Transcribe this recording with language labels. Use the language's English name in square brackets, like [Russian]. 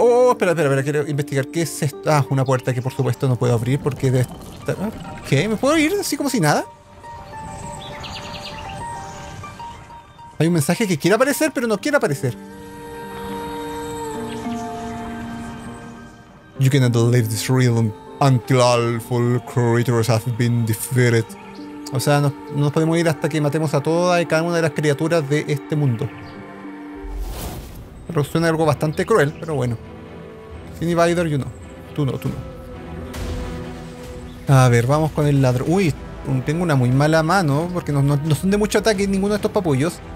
[Spanish] Espera, quiero investigar. ¿Qué es esto? Ah, una puerta que por supuesto no puedo abrir porque debe estar... ¿Qué? ¿Me puedo ir así como si nada? Hay un mensaje que quiere aparecer, pero no quiere aparecer. [English] You cannot leave this realm until all full creatures have been defeated. [Spanish] O sea, no nos podemos ir hasta que matemos a todas y cada una de las criaturas de este mundo. Pero suena algo bastante cruel, pero bueno. Sin invader, [English] you know. [Spanish] Tú no. A ver, vamos con el ladrón. Uy, tengo una muy mala mano porque no son de mucho ataque ninguno de estos papullos.